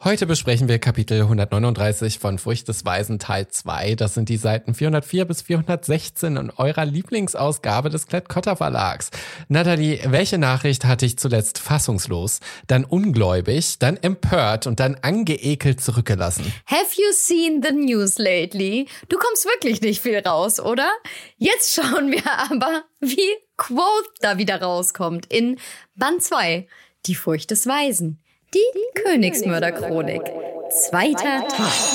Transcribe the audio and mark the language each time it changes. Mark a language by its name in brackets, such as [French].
[German] Heute besprechen wir Kapitel 139 von Furcht des Weisen Teil 2. Das sind die Seiten 404 bis 416 in eurer Lieblingsausgabe des Klett-Cotta Verlags. Nathalie, welche Nachricht hat dich zuletzt fassungslos, dann ungläubig, dann empört und dann angeekelt zurückgelassen? [English] Have you seen the news lately? [German] Du kommst wirklich nicht viel raus, oder? Jetzt schauen wir aber, wie Quoth da wieder rauskommt in Band 2, die Furcht des Weisen, die Königsmörderchronik, zweiter Teil.